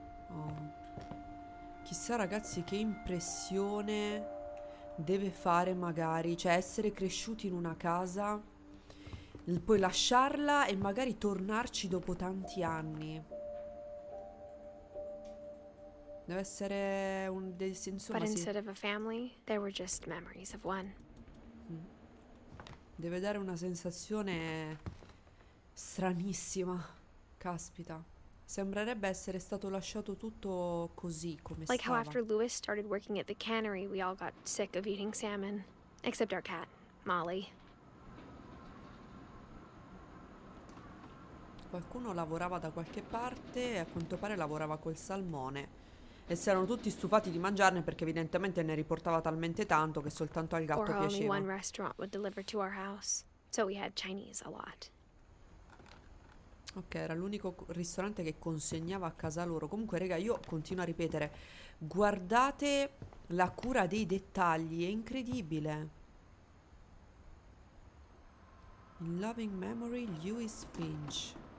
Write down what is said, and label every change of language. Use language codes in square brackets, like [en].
[it] Oh. Chissà, ragazzi, che impressione deve fare magari, cioè essere cresciuti in una casa, poi lasciarla e magari tornarci dopo tanti anni. Deve essere un insomma, [en] but instead of a family, there were just memories of one. [it] Deve dare una sensazione stranissima. Caspita. Sembrerebbe essere stato lasciato tutto così come stava. [en] Like how after Louis started working at the cannery, we all got sick of eating salmon, except our cat, Molly. [it] Qualcuno lavorava da qualche parte e a quanto pare lavorava col salmone. E si erano tutti stufati di mangiarne perché evidentemente ne riportava talmente tanto che soltanto al gatto piaceva. [en] Only one restaurant would deliver to our house, so we had Chinese a lot. [it] Ok, era l'unico ristorante che consegnava a casa loro. Comunque, raga, io continuo a ripetere. Guardate la cura dei dettagli, è incredibile. [en] In loving memory, Lewis Finch.